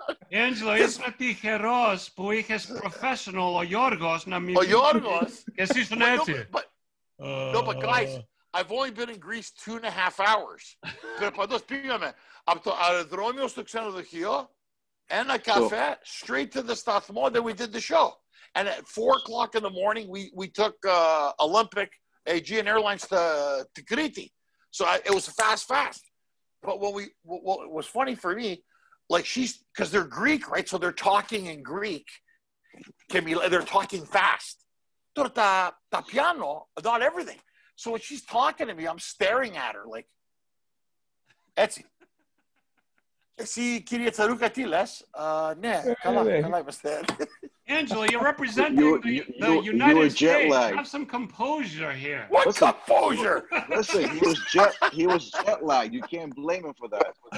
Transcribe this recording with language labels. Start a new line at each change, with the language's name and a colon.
Greek: Άντζελο, είσαι τυχερός που είχες professional ο Γιώργος να μιλήσει. Ο Γιώργος! Και εσύ ήσουν έτσι.
English: No, but guys, I've only been in Greece 2.5 hours.
Greek: Περπαντός πήγαμε από το αεροδρόμιο στο ξενοδοχείο,
English: and a cafe, so, straight to the Stathmo, then we did the show. And at 4 o'clock in the morning, we took Olympic Aegean Airlines to Crete. So it was fast. But what was funny for me, like she's, because they're Greek, right? So they're talking in Greek. Can be, they're talking fast. Torta piano, not everything. So when she's talking to me, I'm staring at her like, Etsy.
Greek: Εσύ, κύριε Τσαρούκα, τι λες? Ναι, καλά είμαστε.
English: Angela, you're representing the United States. Jet-lagged. Have some composure here. What listen, composure? Listen, he was jet lagged. You can't blame him for that.